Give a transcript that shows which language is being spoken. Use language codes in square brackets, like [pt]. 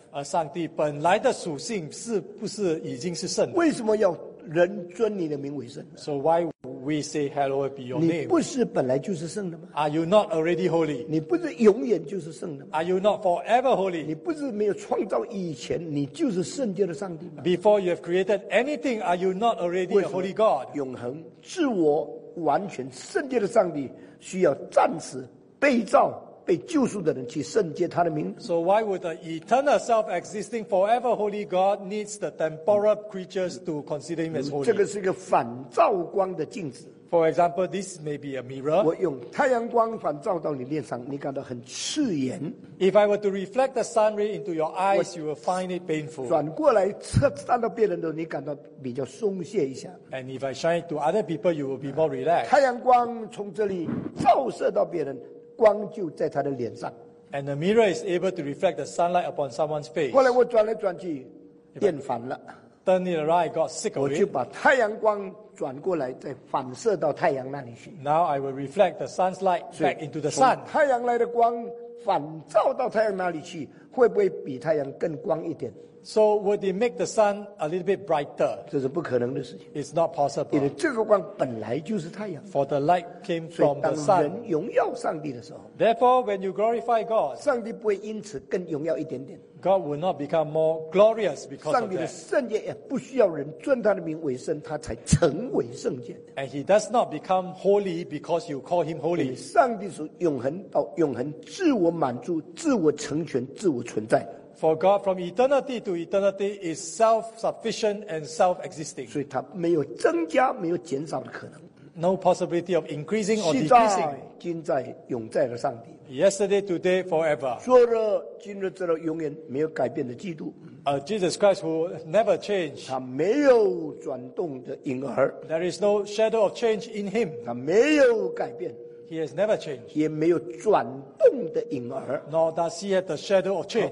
[zh] 而上帝本来的属性是不是已经是圣？为什么要人尊你的名为圣？ [en] So why we say hallowed be your name? [zh] 你不是本来就是圣的吗？ [en] Are you not already holy? [zh] 你不是永远就是圣的吗？ [en] Are you not forever holy? [zh] 你不是没有创造以前你就是圣洁的上帝吗？ [en] Before you have created anything, are you not already a holy God? [zh] 永恒自我完全圣洁的上帝需要暂时被造被救赎的人去圣洁他的名。 [en] So why would the eternal self-existing forever holy God needs the temporal creatures to consider him as holy? [zh] 这个是一个反照光的镜子。 [en] For example, this may be a mirror. [zh] 我用太阳光反照到你脸上，你感到很刺眼。 [en] If I were to reflect the sun ray into your eyes, you will find it painful. [zh] 转过来看到别人的，你感到比较松懈一下。 [en] And if I shine to other people, you will be more relaxed. [zh] 太阳光从这里照射到别人，光就在他的脸上。 [en] And the mirror is able to reflect the sunlight upon someone's face. [zh] 后来我转来转去厌烦了， [en] Turn it around, I got sick of it. [zh] 我就把太阳光转过来再反射到太阳那里去。 [en] Now I will reflect the sun's light back into the sun. [zh] 从太阳来的光反照到太阳那里去，会不会比太阳更光一点？ [en] So would it make the sun a little bit brighter? [zh] 这是不可能的事情。 [en] It's not possible. [zh] 因为这个光本来就是太阳。 [en] For the light came from the sun. [zh] 所以当人荣耀上帝的时候。 [en] Therefore, when you glorify God, [zh] 上帝不会因此更荣耀一点点。 [en] God will not become more glorious because of that. [zh] 上帝的圣洁也不需要人尊他的名为圣，他才成为圣洁。 [en] And he does not become holy because you call him holy. [zh] 上帝是永恒到永恒，自我满足，自我成全，自我存在。 [en] For God from eternity to eternity is self-sufficient and self-existing. [zh] 所以他没有增加，没有减少的可能。 [en] No possibility of increasing or decreasing. [zh] 今在永在的上帝。 [en] Yesterday, today, forever. [zh] 昨日、今日、直到永远没有改变的基督。 [en] Jesus Christ who never changed. [zh] 他没有转动的影儿。 [en] There is no shadow of change in him. [zh] 他没有改变。 [en] He has never changed. [zh] 也没有转动的影儿。 [en] Nor does he have the shadow of change.